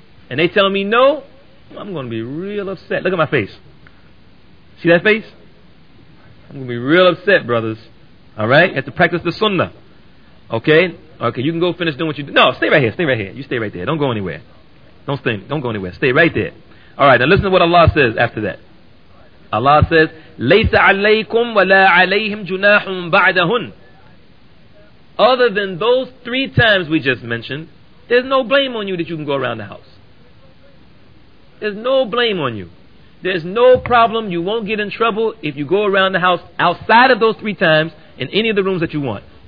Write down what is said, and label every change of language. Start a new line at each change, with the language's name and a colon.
English: And they tell me no, I'm going to be real upset. Look at my face. See that face? I'm going to be real upset, brothers. Alright? You have to practice the sunnah. Okay? Okay, you can go finish doing what you do. No, stay right here. Stay right here. You stay right there. Don't go anywhere. Don't go anywhere. Stay right there. Alright, now listen to what Allah says after that. Allah says,
Arabic: لَيْسَ عَلَيْكُمْ وَلَا عَلَيْهِمْ جُنَاحٌ بَعْدَهُنْ.
English: Other than those 3 times we just mentioned, there's no blame on you that you can go around the house. There's no blame on you. There's no problem. You won't get in trouble if you go around the house outside of those 3 times in any of the rooms that you want.